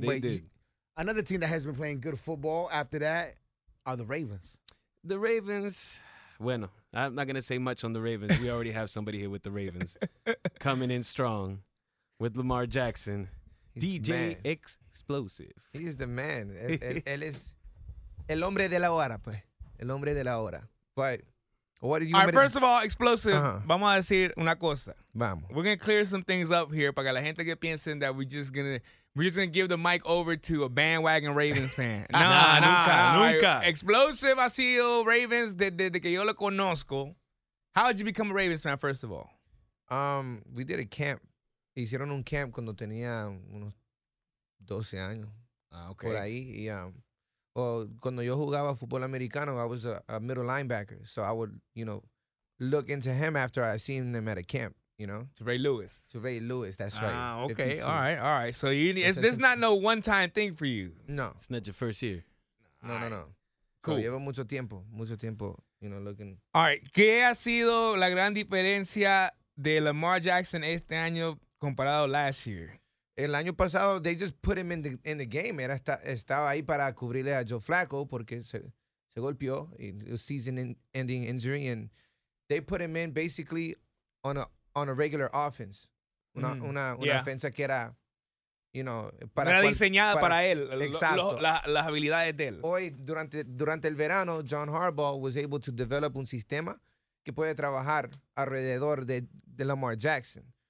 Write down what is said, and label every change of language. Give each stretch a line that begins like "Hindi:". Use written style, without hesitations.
English: They did. Another team that has been playing good football after that are the Ravens. The Ravens, bueno, I'm not going to say much on the Ravens. We already have somebody here with the Ravens coming in strong with Lamar Jackson. He's DJ Xplosive. He's the man.
Spanish: Él es el hombre de la hora, pues. El hombre de la hora.
English: But what do you mean? All right, first of all, Xplosive,
Spanish: vamos a decir una cosa. Vamos.
English: We're going to clear some things up here
Spanish: para que la gente que piensen
English: that we're just going to We're just going to give the mic over to a bandwagon Ravens fan.
Spanish: Nunca. Xplosive,
English: I see you,
Spanish: Ravens, de que yo lo conozco.
English: How did you become a Ravens fan, first of all? We did a camp.
Spanish: Hicieron un camp cuando tenía unos 12 años. Ah, okay. Por ahí. Y, cuando yo jugaba fútbol americano,
English: I was a middle linebacker. So I would, you know, look into him after I seen him at a camp. You know, to Ray Lewis. That's right. Ah, okay. 52. All right. So this is not no one time thing for you. No, it's not your first year. No. Cool. So,
Spanish: llevo mucho tiempo.
English: You know, looking. All right.
Spanish: ¿Qué ha sido la gran diferencia de Lamar Jackson este año comparado
English: last year?
Spanish: El año pasado,
English: they just put him in the game.
Spanish: Era estaba ahí para cubrirle a Joe Flacco porque se golpeó.
English: It was season-ending injury, and they put him in basically on a regular offense.
Spanish: Una ofensa que era,
English: you know,
Spanish: para él. Exacto. Las habilidades de él. Hoy, durante el verano, John Harbaugh
English: was able to develop
Spanish: un sistema que puede trabajar alrededor de Lamar Jackson.